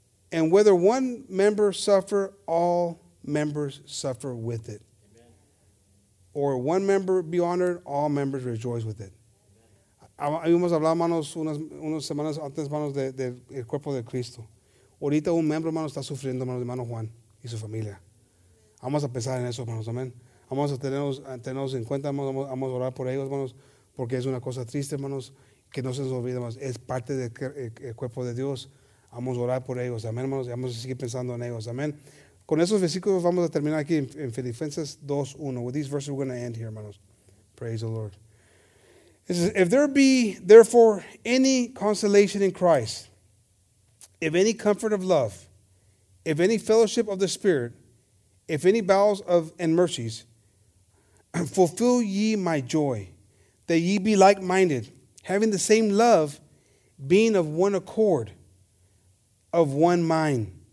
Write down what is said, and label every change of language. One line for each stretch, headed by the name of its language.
English: And whether one member suffer, all members suffer with it. Amen. Or one member be honored, all members rejoice with it.
Spanish: Habíamos hablado, hermanos, unas semanas antes, hermanos, del cuerpo de Cristo. Ahorita un miembro, hermano, está sufriendo, hermano Juan y su familia. Vamos a pensar en eso, hermanos, amén. Vamos a tenerlos en cuenta, vamos a orar por ellos, hermanos, porque es una cosa triste, hermanos, que no se nos olvide, hermanos. Es parte del cuerpo de Dios. Vamos a orar por ellos, amén, hermanos, y vamos a seguir pensando en ellos, amén. Con esos versículos vamos a terminar aquí en Filipenses 2:1.
English: With these verses we're going to end here, hermanos. Praise the Lord. It says, if there be therefore any consolation in Christ, if any comfort of love, if any fellowship of the Spirit, if any bowels of and mercies, fulfill ye my joy, that ye be like-minded, having the same love, being of one accord, of one mind.